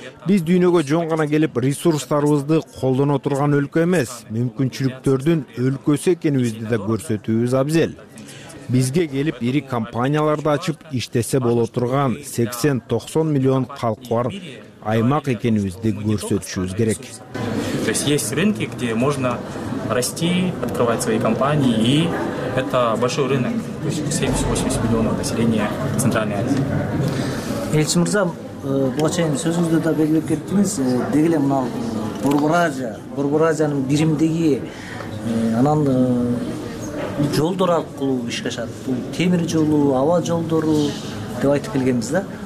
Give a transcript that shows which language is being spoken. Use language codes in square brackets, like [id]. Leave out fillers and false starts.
[ky] Биз дүйнөгө жөн гана келип ресурстарыбызды колдоно турган өлкө эмес, мүмкүнчүлүктөрдүн өлкөсү экенибизди да көрсөтүүбүз абзел. Бизге келип ири компанияларды ачып иштесе боло турган 80-90 миллион калкы бар аймак экенибизди көрсөтүшүбүз керек. [ru] То есть есть рынки, где можно расти, открывать свои компании, и это большой рынок, 70-80 миллионов населения Центральной Азии. [ky] Элчи мырза, буга чейин сөзүңүздө да белгилеп кеттиңиз, деги эле мына Борбор Азия, Борбор Азиянын биримдиги анан жолдор аркылуу ишке ашат. Бул темир жолу, аба жолдору деп айтып келгенбиз да.